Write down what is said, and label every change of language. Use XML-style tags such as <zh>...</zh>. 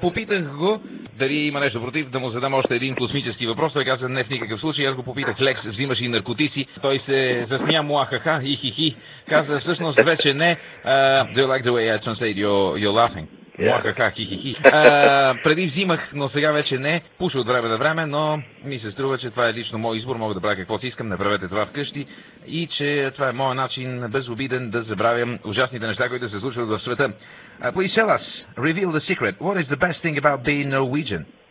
<bg>Попитах го дали има нещо против да му задам още един космически въпрос. Той каза, не в никакъв случай. Аз го попитах, Лекс, взимаш ли наркотици? Той се засмя му, ахаха, хихихи. Каза, всъщност, вече не.</bg> <en>Do you like the way I translate you're laughing? Yeah. Муахаха, хихихи.</en> <bg>Преди взимах, но сега вече не. Пуша от време на време, но ми се струва, че това е лично мой избор. Мога да правя какво си искам, не правете това вкъщи. И че това е моя начин безобиден да забравям ужасните неща, които се случват в света.</bg> <en>Please tell us, reveal the secret. What is the best thing about being Norwegian?</en>